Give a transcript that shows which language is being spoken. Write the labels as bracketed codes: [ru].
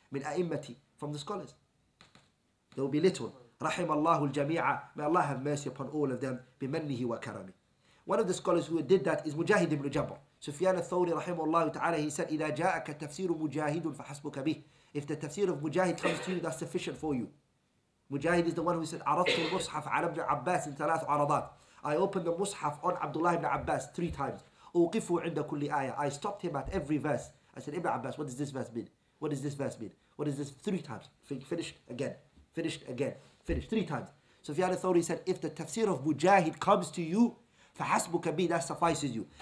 [ar] من أئمتي, [en] from the scholars. There will be little. [ar] رحم الله الجميع. [en] May Allah have mercy upon all of them. [ar] بمنه وكرمه. [en] One of the scholars who did that is Mujahid ibn Jabr. Sufyan al-Thawri رحمه الله تعالى, he said, [ar] إذا جاءك تفسير مجاهد فحسبك به. [en] If the tafsir of Mujahid comes to you, that's sufficient for you. Mujahid is the one who said, [ar] عرضت المصحف على ابن عباس [en] in [ar] ثلاث عرضات. [en] I opened the مصحف on Abdullah ibn Abbas 3 times. [ar] أوقفه عند كل آية. [en] I stopped him at every verse. I said, ابن عباس, what does this verse mean? What does this verse mean? What is this? 3 times. Finished 3 times. So Sufyan al-Thawri said, if the tafsir of Mujahid comes to you, [ar] فَحَسْبُكَ بِهِ, [en] that suffices you.